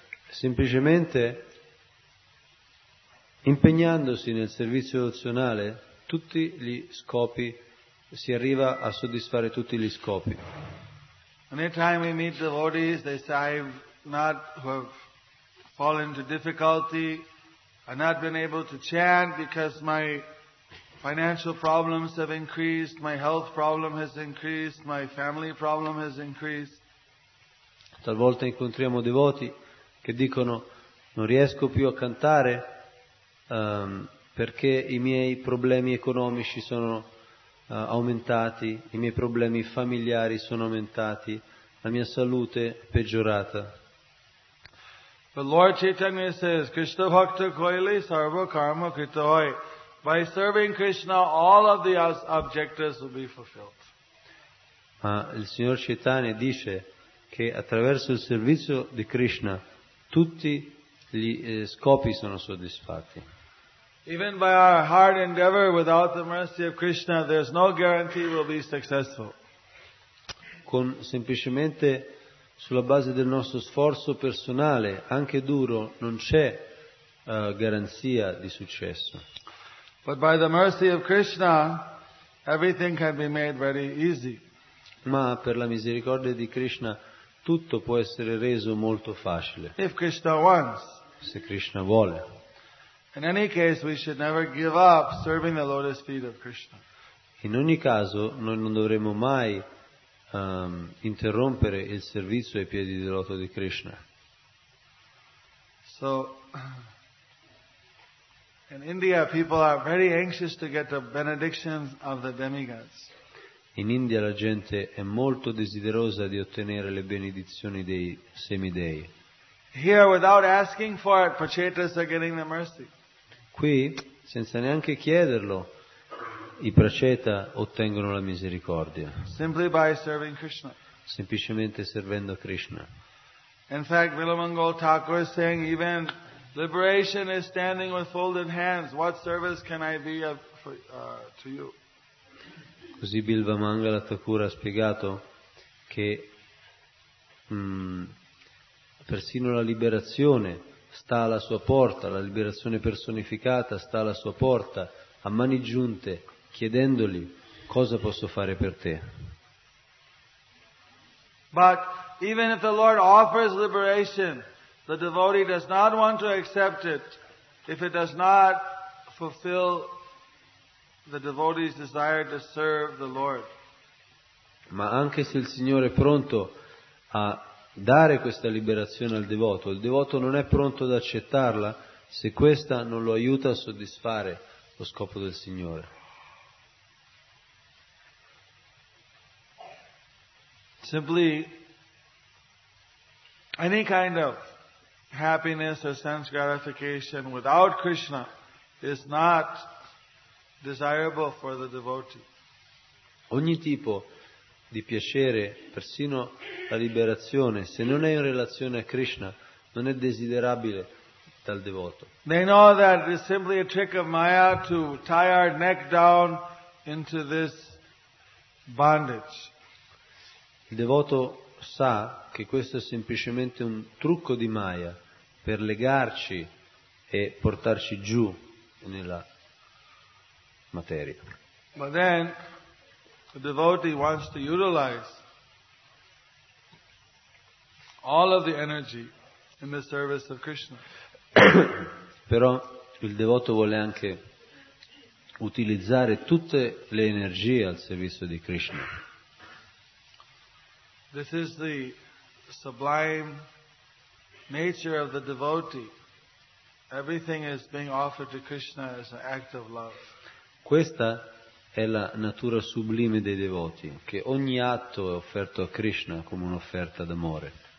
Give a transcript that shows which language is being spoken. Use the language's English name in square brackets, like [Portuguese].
[Italian] Semplicemente impegnandosi nel servizio devozionale, tutti gli scopi si arriva a soddisfare tutti gli scopi. [English] Anytime we meet devotees, they say, I've not, who have fallen into difficulty, I've not been able to chant because my financial problems have increased, my health problem has increased, my family problem has increased. [Italian] Talvolta incontriamo devoti che dicono, non riesco più a cantare perché i miei problemi economici sono aumentati, i miei problemi familiari sono aumentati, la mia salute è peggiorata. [English] But Lord Chaitanya says, [Bangla] Krishna bhakta koile sarva karma krita hoy. [English] By serving Krishna, all of the objectives will be fulfilled. [Italian] Ma il signor Chaitanya dice che attraverso il servizio di Krishna tutti gli scopi sono soddisfatti. [English] Even by our hard endeavor, without the mercy of Krishna, there's no guarantee we'll be successful. [Italian] Con semplicemente sulla base del nostro sforzo personale, anche duro, non c'è garanzia di successo. [English] But by the mercy of Krishna, everything can be made very easy. [Italian] Ma per la misericordia di Krishna, tutto può essere reso molto facile. [English] If Krishna wants. [Italian] Se Krishna vuole. [English] In any case, we should never give up serving the lotus feet of Krishna. [Italian] In ogni caso, noi non dovremmo mai interrompere il servizio ai piedi del loto di Krishna. [English] So, in India, people are very anxious to get the benediction of the demigods. [Italian] In India la gente è molto desiderosa di ottenere le benedizioni dei semidei. [English] Here, without asking for it, prachetas are getting the mercy. [Italian] Qui, senza neanche chiederlo, i praceta ottengono la misericordia. [English] Simply by serving Krishna. [Italian] Semplicemente servendo Krishna. [English] In fact, Vilamangal Thakur is saying even liberation is standing with folded hands. What service can I be of, for, to you? [Italian] Così Bilva Mangala Thakur ha spiegato che persino la liberazione sta alla sua porta, la liberazione personificata sta alla sua porta, a mani giunte, chiedendogli cosa posso fare per te. [English] But even if the Lord offers liberation, the devotee does not want to accept it if it does not fulfill the devotee's desire to serve the Lord. [Italian] Ma anche se il Signore è pronto a dare questa liberazione al devoto, il devoto non è pronto ad accettarla se questa non lo aiuta a soddisfare lo scopo del Signore. [English] Simply any kind of happiness or sense gratification without Krishna is not desirable for the devotee. [Italian] Ogni tipo di piacere, persino la liberazione, se non è in relazione a Krishna, non è desiderabile dal devoto. [English] They know that it's simply a trick of Maya to tie our neck down into this bondage. [Italian] Il devoto sa che questo è semplicemente un trucco di Maya per legarci e portarci giù nella materia. [English] But then the devotee wants to utilize all of the energy in the service of Krishna. [Italian] Però il devoto vuole anche utilizzare tutte le energie al servizio di Krishna. [English] This is the sublime nature of the devotee. Everything is being offered to Krishna as an act of love. [Italian] Questa è la natura sublime dei devoti, che ogni atto è offerto a Krishna come un'offerta d'amore.